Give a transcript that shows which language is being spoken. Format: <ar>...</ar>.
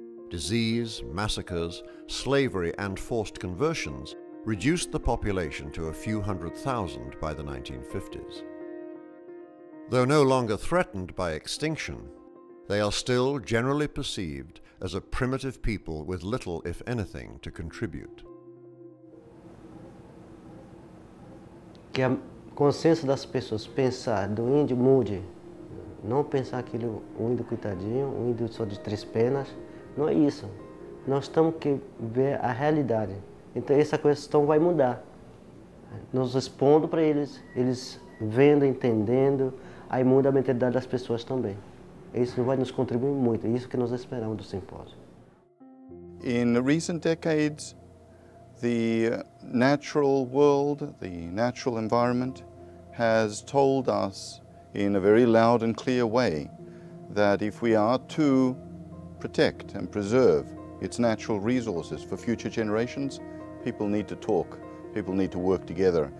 <en>Disease, massacres, slavery and forced conversions reduced the population to a few hundred thousand by the 1950s. Though no longer threatened by extinction, they are still generally perceived as a primitive people with little, if anything, to contribute.</en> <pt>Que a consciência das pessoas pensar do índio mude, não pensar aquele índio coitadinho, um índio só de três penas, não é isso. Nós temos que ver a realidade. Então essa questão vai mudar. Nós respondo para eles, eles vendo, entendendo, aí muda a mentalidade das pessoas também. Isso vai nos contribuir muito, é isso que nós esperamos do simpósio.</pt> <en>In recent decades, the natural world, the natural environment, has told us in a very loud and clear way that if we are to protect and preserve its natural resources for future generations, people need to talk, people need to work together.</en>